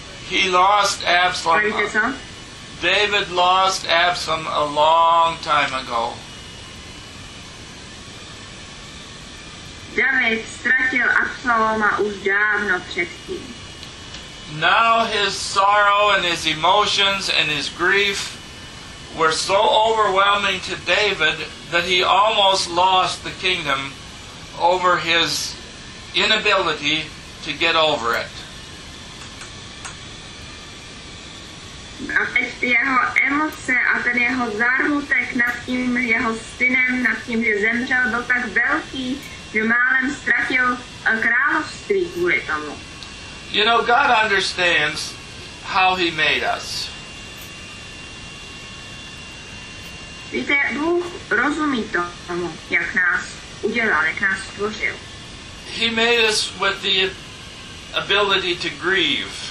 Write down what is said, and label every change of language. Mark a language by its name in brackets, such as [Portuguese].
[English] He lost Absalom. David lost Absalom a long time ago. [Czech] David ztratil Absaloma už dávno předtím. [English] Now his sorrow and his emotions and his grief were so overwhelming to David that he almost lost the kingdom over his inability to get over it. [Czech] A teď ty jeho emoce a ten jeho zármutek nad tím jeho synem, nad tím, že zemřel, byl tak velký, že málem ztratil království kvůli tomu. [English] You know, God understands how he made us. [Czech] Víte, Bůh rozumí tomu, jak nás udělal, jak nás stvořil. [English] He made us with the ability to grieve.